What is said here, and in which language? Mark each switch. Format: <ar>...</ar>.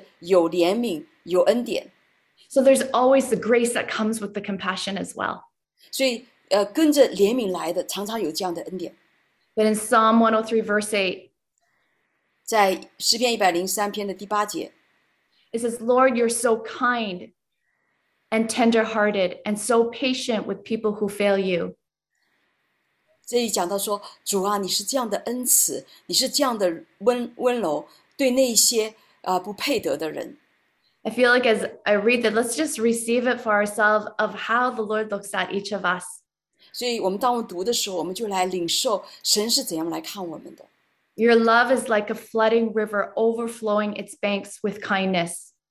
<zh>那在这个诗篇103篇里面讲到神是有怜悯有恩典。</zh> <en>So there's always the grace that comes with the compassion as well.</en> <zh>所以跟着怜悯来的常常有这样的恩典。</zh> <en>But in Psalm 103, verse 8,</en> <zh>在诗篇103篇的第八节,</zh> <en>it says, Lord, you're so kind and tender-hearted and so patient with people who fail you.</en> <zh>这里讲到说, 主啊, 你是这样的恩慈, 你是这样的温柔, 对那些, 不配得的人。</zh> <en>I feel like as I read that, let's just receive it for ourselves of how the Lord looks at each of us.</en> <zh>所以我们当我读的时候，我们就来领受神是怎样来看我们的。</zh> <en>Your love is like a flooding river overflowing its banks with kindness.</en>